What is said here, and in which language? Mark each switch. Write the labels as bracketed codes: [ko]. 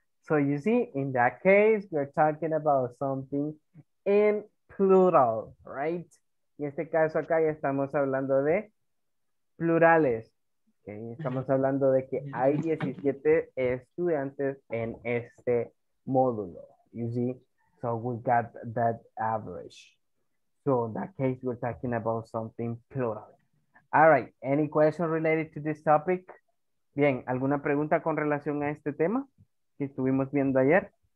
[en] So you see, in that case, we're talking about something in plural, right? [es] En este caso acá ya estamos hablando de plurales. Okay? Estamos hablando de que hay 17 estudiantes en este módulo. [en] You see? So we got that average. So in that case, we're talking about something plural. All right. Any question related to this topic? [es] Bien, ¿alguna pregunta con relación a este tema que estuvimos viendo ayer?